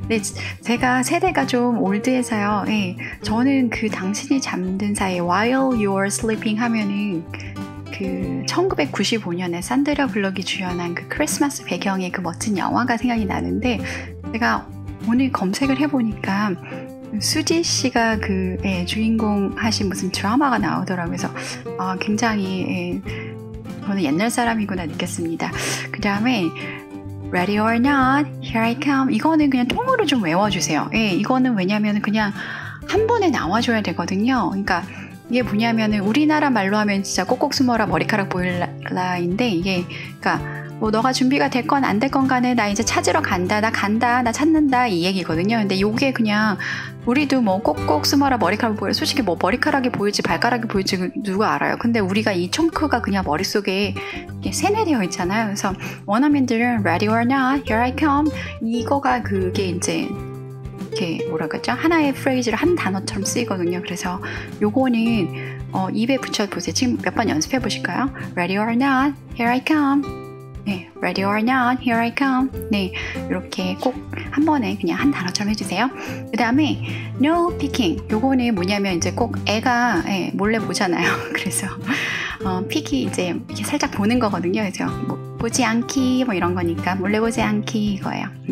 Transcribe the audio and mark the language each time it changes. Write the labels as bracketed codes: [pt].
[ko] 근데 제가 세대가 좀 올드해서요. 예. 저는 그 당신이 잠든 사이에 [en] while you're sleeping [ko] 하면은 그 1995년에 산드라 블럭이 주연한 그 크리스마스 배경의 그 멋진 영화가 생각이 나는데 제가 오늘 검색을 해보니까 수지 씨가 그 예, 주인공 하신 무슨 드라마가 나오더라고요. 그래서 굉장히 예, 저는 옛날 사람이구나 느꼈습니다. 그 다음에 [en] Ready or not, here I come. [ko] 이거는 그냥 통으로 좀 외워주세요. 예, 이거는 왜냐면 그냥 한 번에 나와줘야 되거든요. 그러니까 이게 뭐냐면 우리나라 말로 하면 진짜 꼭꼭 숨어라 머리카락 보일라인데 이게 그러니까 뭐 너가 준비가 됐건 안 됐건 간에 나 이제 찾으러 간다 나 찾는다 이 얘기거든요. 근데 요게 그냥 우리도 뭐 꼭꼭 숨어라 머리카락 보여 솔직히 뭐 머리카락이 보일지 발가락이 보일지 누가 알아요. 근데 우리가 이 청크가 그냥 머릿속에 이렇게 세뇌되어 있잖아요. 그래서 원어민들은 [en] Ready or not, here I come [ko] 이거가 그게 이제 이렇게 뭐라 그러죠? 하나의 프레이즈를 한 단어처럼 쓰이거든요. 그래서 요거는 입에 붙여보세요. 지금 몇 번 연습해 보실까요? [en] Ready or not, here I come. [ko] 네, [en] Ready or not, here I come. [ko] 네, 이렇게 꼭 한 번에 그냥 한 단어처럼 해주세요. 그 다음에 [en] No peeking. [ko] 요거는 뭐냐면 이제 꼭 애가 네, 몰래 보잖아요. 그래서 peek이 이제 이렇게 살짝 보는 거거든요. 그래서 뭐, 보지 않기 뭐 이런 거니까 몰래 보지 않기 이거예요.